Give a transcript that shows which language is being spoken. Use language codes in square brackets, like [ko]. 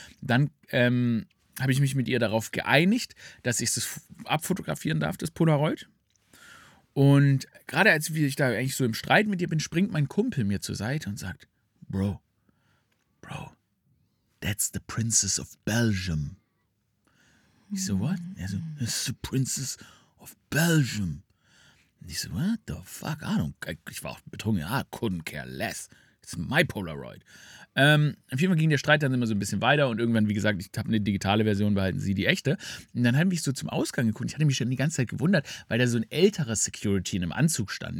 [de] Dann habe ich mich mit ihr darauf geeinigt, dass ich das abfotografieren darf, das Polaroid. Und gerade als ich da eigentlich so im Streit mit ihr bin, springt mein Kumpel mir zur Seite und sagt, [en] Bro, that's the Princess of Belgium. [de] Ich so, [en] what? [de] Er so, [en] that's the Princess of Belgium. [de] Und ich so, [en] what the fuck, [de] Ahnung. Ich war auch betrunken, [en] couldn't care less. It's my Polaroid. [de] Auf jeden Fall ging der Streit dann immer so ein bisschen weiter und irgendwann, wie gesagt, ich habe eine digitale Version behalten, sie die echte. Und dann habe ich so zum Ausgang geguckt. Ich hatte mich schon die ganze Zeit gewundert, weil da so ein älterer Security in einem Anzug stand.